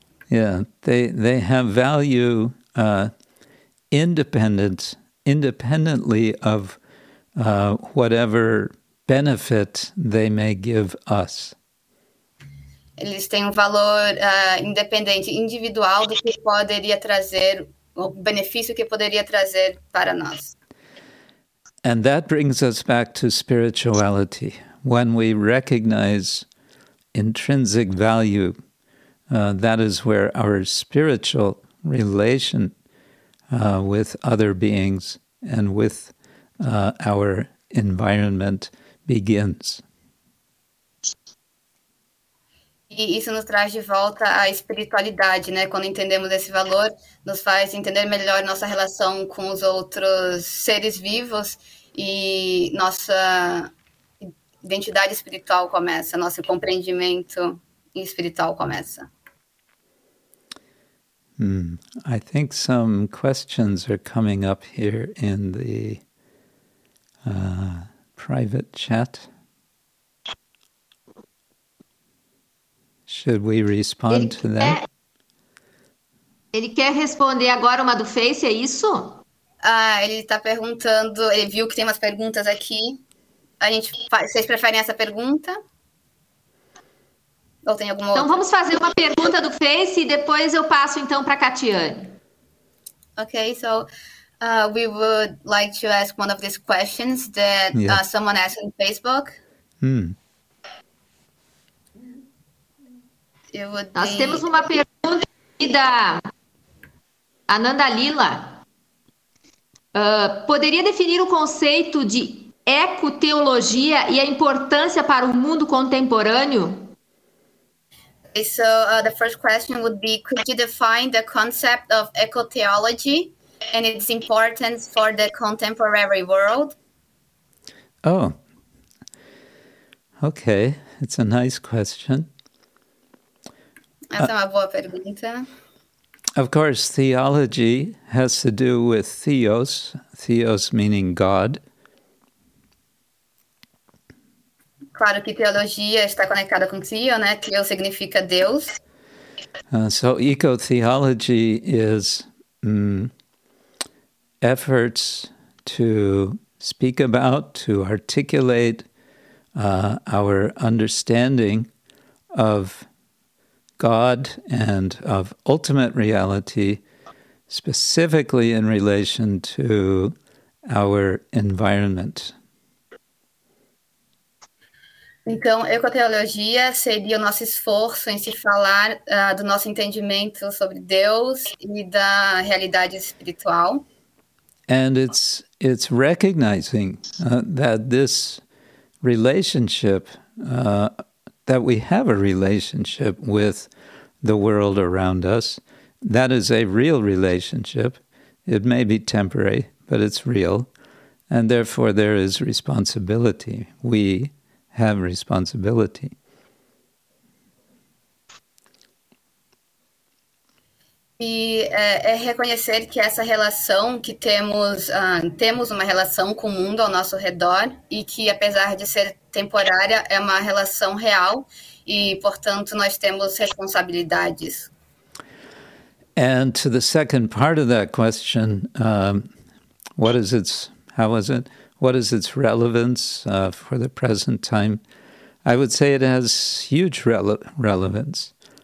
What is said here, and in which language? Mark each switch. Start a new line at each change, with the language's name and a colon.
English: Yeah, they have value independently of whatever benefit they may give us.
Portuguese: Eles têm um valor independente, individual, do que poderia trazer, o benefício que poderia trazer para nós.
English: And that brings us back to spirituality. When we recognize intrinsic value, that is where our spiritual relation with other beings and with our environment begins.
Portuguese: E isso nos traz de volta à espiritualidade, né? Quando entendemos esse valor, nos faz entender melhor nossa relação com os outros seres vivos e nossa identidade espiritual começa, nosso compreendimento espiritual começa.
English: I think some questions are coming up here in the private chat. Should we respond to that?
Portuguese: Ele quer responder agora uma do Face, é isso? Ah, ele está perguntando, ele viu que tem umas perguntas aqui. A gente, vocês preferem essa pergunta? Ou tem alguma então, outra? Vamos fazer uma pergunta do Face e depois eu passo então para a Catiane.
English: Ok, so we would like to ask one of these questions that someone asked on Facebook.
Portuguese: Nós temos uma pergunta aqui da Ananda Lila. Poderia definir o conceito de ecoteologia e a importância para o mundo contemporâneo?
English: So the first question would be, could you define the concept of ecotheology and its importance for the contemporary world? Oh, okay. It's a nice question.
Portuguese: Essa é uma boa pergunta.
English: Of course, theology has to do with theos, theos meaning God.
Portuguese: Claro que teologia está conectada com theos, né? Theos significa Deus.
English: So eco-theology is efforts to speak about, to articulate our understanding of God and of ultimate reality, specifically in relation to our environment.
Portuguese: Então, ecoteologia seria o nosso esforço em se falar do nosso entendimento sobre Deus e da realidade espiritual.
English: And it's recognizing that this relationship, that we have a relationship with the world around us, that is a real relationship. It may be temporary, but it's real. And therefore, there is responsibility. We have responsibility.
Portuguese: E é reconhecer que essa relação que temos, temos uma relação com o mundo ao nosso redor e que, apesar de ser temporária, é uma relação real e, portanto, nós temos responsabilidades.
English: And to the second part of that question, what is its, how is it, what is its relevance for the present time? I would say it has huge relevance.